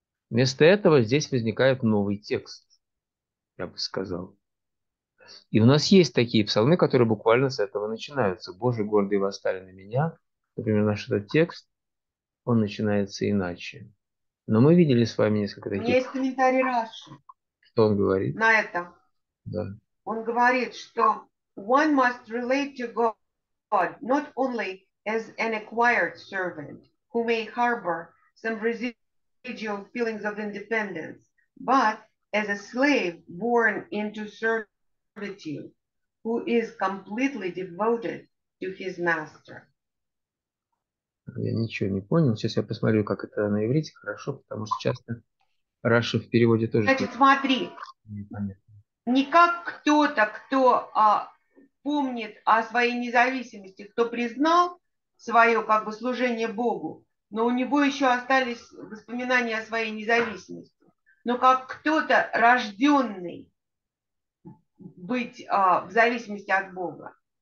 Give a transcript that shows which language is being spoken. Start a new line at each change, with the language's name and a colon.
Russian: Вместо этого здесь возникает новый текст, я бы сказал. И у нас есть такие псалмы, которые буквально с этого начинаются. «Боже, гордые восстали на меня». Например, наш этот текст, он начинается иначе. Но мы видели с вами несколько таких... У меня есть комментарий Раши. Что он говорит? На это. Да. Он говорит, что
English: «One must relate to God not only as an acquired servant who may harbor some residual feelings of independence, but as a slave born into service, who is completely devoted to his master».
Russian: Я ничего не понял. Сейчас я посмотрю, как это на иврите хорошо, потому что часто Раши в переводе тоже. Значит, смотри, не как кто-то, кто помнит о своей независимости, кто признал свое как бы служение Богу, но у него еще остались воспоминания о своей независимости, но как кто-то рожденный быть в зависимости от Бога.